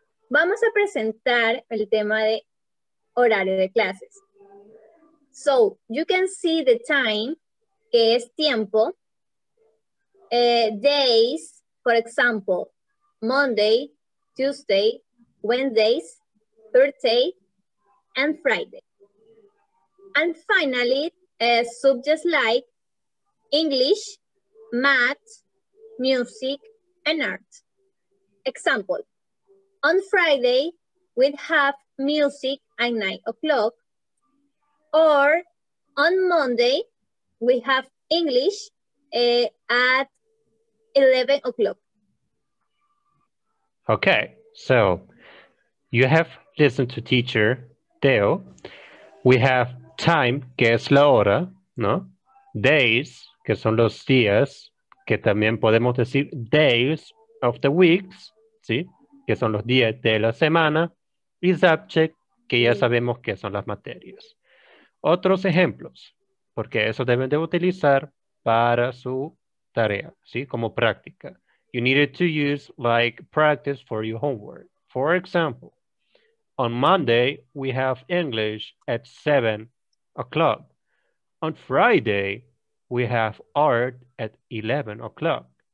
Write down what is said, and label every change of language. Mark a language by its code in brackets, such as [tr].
[es] Vamos a presentar el tema de horario de clases. [en] So, you can see the time, [es] que es tiempo, [en] days, for example, Monday, Tuesday, Wednesdays, Thursday, and Friday. And finally, subjects like English, math, music, and art. Example, on Friday, we have music at 9 o'clock, or on Monday, we have English at 11 o'clock. Okay, so you have listened to teacher Deo. We have time, [es] que es la hora, ¿no? Days, que son los días, que también podemos decir [en] days of the weeks, [es] ¿sí? Que son los días de la semana. Y subject, que ya sabemos que son las materias. Otros ejemplos. Porque eso deben de utilizar para su tarea, ¿sí? Como práctica. [en] You needed to use like practice for your homework. For example, on Monday, we have English at 7 o'clock. On Friday, we have art at 11 o'clock.